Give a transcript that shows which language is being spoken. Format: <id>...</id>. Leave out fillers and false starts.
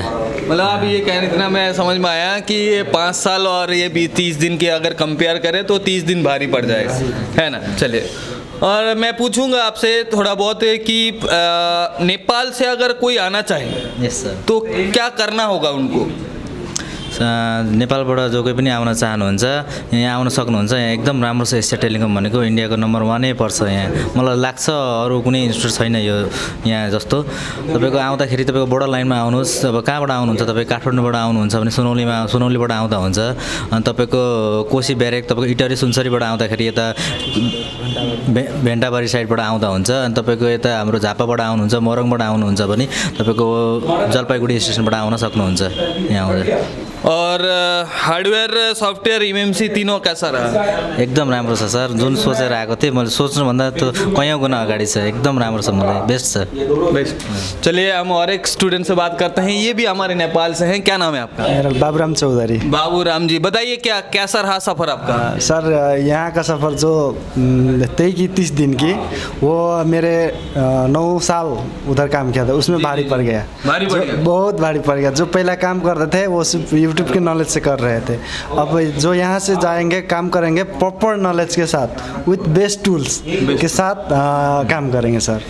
<hi>मतलब अब ये कहने इतना मैं समझ में आया कि ये 5 साल और ये 30 दिन के अगर कंपेयर करें तो 30 दिन भारी पड़ जाएगा, है ना। चलिए, और मैं पूछूंगा आपसे थोड़ा बहुत कि नेपाल से अगर कोई आना चाहे</hi> <en>yes,</en> <hi>तो क्या करना होगा उनको?</hi> <ne>नेपालबाट जो कोही पनि आउन चाहनुहुन्छ यहाँ आउन सक्नुहुन्छ। यहाँ एकदम राम्रो छ एसिया टेलिकम भनेको, इन्डियाको नम्बर 1 पर्छ यहाँ, मलाई लाग्छ। अरू कुनै इन्स्टिट्युट छैन यो यहाँ जस्तो। तपाईँको आउँदाखेरि तपाईँको बोर्डर लाइनमा आउनुहोस्। अब कहाँबाट आउनुहुन्छ तपाईँ? काठमाडौँबाट आउनुहुन्छ भने सुनौलीबाट आउँदा हुन्छ। अनि तपाईँको कोशी ब्यारेक, तपाईँको इटरी सुनसरीबाट आउँदाखेरि यता भेन्टाबारी साइडबाट आउँदा हुन्छ। अनि तपाईँको यता हाम्रो झापाबाट आउनुहुन्छ, मोरङबाट आउनुहुन्छ भने तपाईँको जलपाइगुडी स्टेसनबाट आउन सक्नुहुन्छ यहाँ आउँदा।</ne> <hi>और हार्डवेयर सफ्टवेयर UMC तिनों कैसा रहा?</hi> <ne>एकदम राम्रो छ सर, जुन सोचेर आएको थिएँ मैले, सोच्नुभन्दा त कयौँ गुणा अगाडि छ, एकदम राम्रो छ, मलाई बेस्ट छ, बेस्ट।</ne> <hi>चलिए हम और एक स्टूडेंट से बात करते हैं, ये भी हमारे नेपाल से हैं। क्या नाम है आपका? बाबूराम चौधरी। बाबूराम जी बताइए क्या कैसा रहा सफ़र आपका? सर यहाँ का सफ़र जो 23 दिन की वो मेरे 9 साल उधर काम किया था उसमें भारी पड़ गया, बहुत भारी पड़ गया। जो पहला काम करते थे वो यूट्यूब के नॉलेज से कर रहे थे, अब जो यहाँ से जाएंगे काम करेंगे प्रॉपर नॉलेज के साथ विथ बेस्ट टूल्स के साथ काम करेंगे सर।</hi>